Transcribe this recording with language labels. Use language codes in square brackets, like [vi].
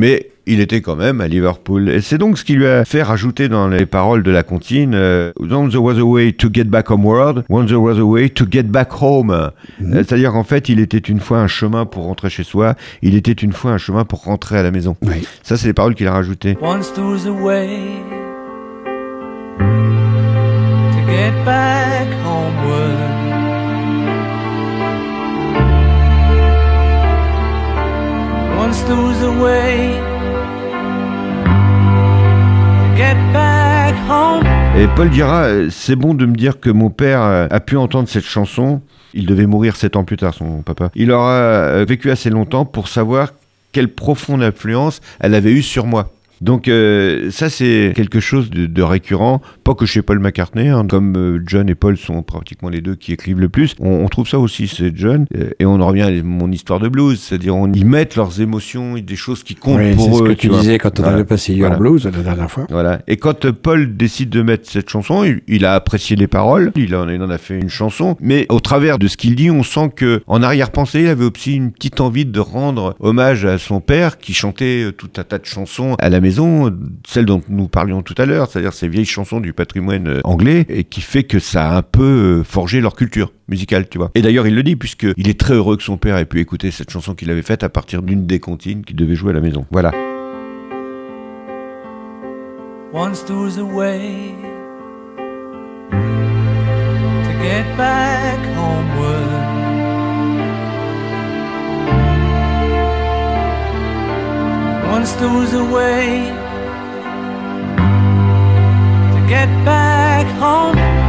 [fr] Mais il était quand même à Liverpool. Et c'est donc ce qui lui a fait rajouter dans les paroles de la comptine « [en] When there was a way to get back homeward, when there was a way to get back home. [fr] Mm-hmm. » C'est-à-dire qu'en fait, il était une fois un chemin pour rentrer chez soi, il était une fois un chemin pour rentrer à la maison. Oui. Ça, c'est les paroles qu'il a rajoutées. [en] « Once there was a way to get back homeward. » Once there was a way get back home. [fr] Et Paul dira, c'est bon de me dire que mon père a pu entendre cette chanson. Il devait mourir 7 ans plus tard, son papa. Il aura vécu assez longtemps pour savoir quelle profonde influence elle avait eue sur moi. Donc ça, c'est quelque chose de récurrent, pas que chez Paul McCartney, hein, comme John et Paul sont pratiquement les deux qui écrivent le plus. On trouve ça aussi chez John, et on en revient à mon histoire de blues, c'est-à-dire on y met leurs émotions et des choses qui comptent oui, pour eux. C'est ce que tu disais quand on avait passé Your Blues la dernière fois. Voilà. Et quand Paul décide de mettre cette chanson, il a apprécié les paroles, il en a fait une chanson, mais au travers de ce qu'il dit, on sent qu'en arrière-pensée, il avait aussi une petite envie de rendre hommage à son père qui chantait tout un tas de chansons à la maison. Celle dont nous parlions tout à l'heure, c'est-à-dire ces vieilles chansons du patrimoine anglais, et qui fait que ça a un peu forgé leur culture musicale, tu vois. Et d'ailleurs, il le dit, puisqu'il est très heureux que son père ait pu écouter cette chanson qu'il avait faite à partir d'une des comptines qu'il devait jouer à la maison. Voilà. [en] Once there was a way to get back homeward. Once once there was a way to get back home.